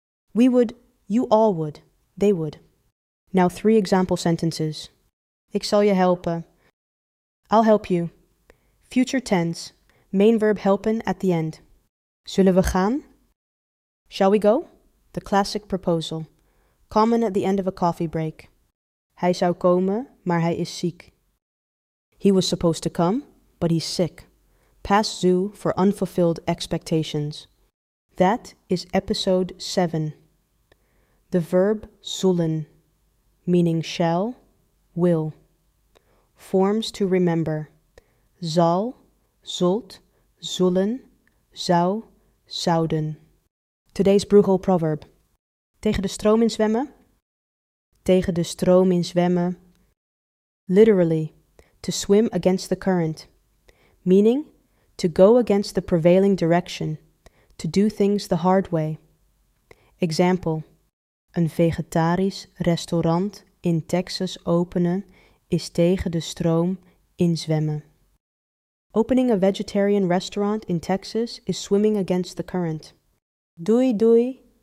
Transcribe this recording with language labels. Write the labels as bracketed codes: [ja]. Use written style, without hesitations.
[en] We would, you all would, they would. Now three example sentences. [nl] Ik zal je helpen. [en] I'll help you. Future tense. Main verb helpen at the end. [nl] Zullen we gaan? [en] Shall we go? The classic proposal. Common at the end of a coffee break. [nl] Hij zou komen, maar hij is ziek. [en] He was supposed to come, but he's sick. Past zu for unfulfilled expectations. That is episode 7. The verb zullen, meaning shall, will. Forms to remember. Zal, zult, zullen, zou, zouden. Today's Brugel proverb. [nl] Tegen de stroom in zwemmen. Tegen de stroom in zwemmen. [en] Literally, to swim against the current. Meaning, to go against the prevailing direction. To do things the hard way. Example. [nl] Een vegetarisch restaurant in Texas openen is tegen de stroom in zwemmen. [en] Opening a vegetarian restaurant in Texas is swimming against the current. [nl] Doei doei.